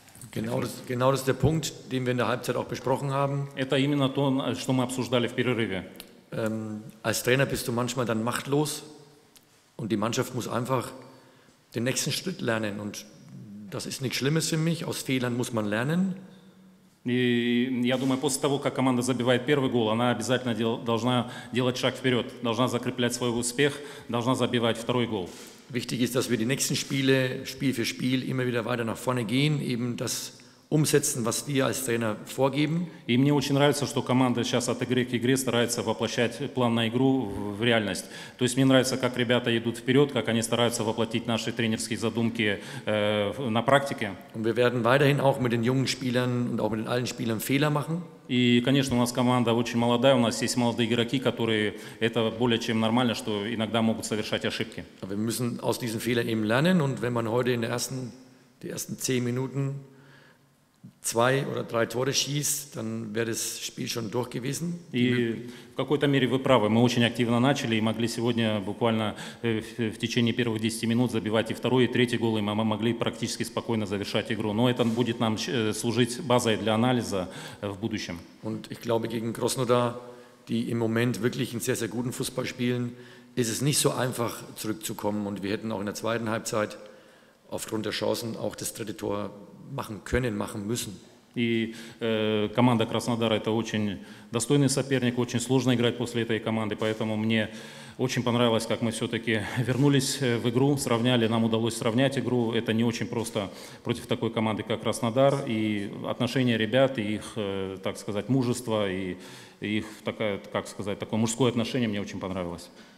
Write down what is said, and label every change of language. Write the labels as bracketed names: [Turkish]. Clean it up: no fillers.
[German] Genau das ist der Punkt, den wir in der Halbzeit auch besprochen haben. [Russian] Это именно то, что мы обсуждали в перерыве. [German] Als Trainer bist du manchmal dann machtlos und die Mannschaft muss einfach den nächsten Schritt lernen. Und das ist nichts Schlimmes für mich, aus Fehlern muss man lernen. [Russian] И я думаю, после того, как команда забивает первый гол, она обязательно должна делать шаг вперед, должна закреплять свой успех, должна забивать второй гол. [German] Wichtig ist, dass wir die nächsten Spiele, Spiel für Spiel, immer wieder weiter nach vorne gehen, eben das umsetzen, was wir als Trainer vorgeben. [Russian] И мне очень нравится, что команда сейчас от игры к игре старается воплощать план на игру в реальность. То есть мне нравится, как ребята идут вперед, как они стараются воплотить наши тренерские задумки на практике. [German] Und wir werden weiterhin auch mit den jungen Spielern und auch mit den alten Spielern Fehler machen. [Russian] И, конечно, у нас команда очень молодая, у нас есть молодые игроки, которые это более чем нормально, что иногда могут совершать ошибки. [German] Aber wir müssen aus diesen Fehlern eben lernen. Und wenn man heute in die ersten 10 Minuten 2 oder 3 Tore schießt, dann wäre das Spiel schon durch gewesen. [Russian] И в какой-то мере вы правы. Мы очень активно начали и могли сегодня буквально в течение первых 10 минут забивать и второй, и третий гол, и мы могли практически спокойно завершать игру. Но это будет нам служить базой для анализа в будущем. [German] Und ich glaube, gegen Krasnodar, die im Moment wirklich einen sehr, sehr guten Fußball spielen, ist es nicht so einfach zurückzukommen. Und wir hätten auch in der zweiten Halbzeit aufgrund der Chancen auch das dritte Tor machen können, machen müssen. [Russian] И команда Краснодара – это очень достойный соперник, очень сложно играть после этой команды, поэтому мне очень понравилось, как мы все-таки вернулись в игру, сравняли, нам удалось сравнять игру. Это не очень просто против такой команды, как Краснодар. И отношение ребят, и их, так сказать, мужество, и их, как сказать, такое мужское отношение мне очень понравилось.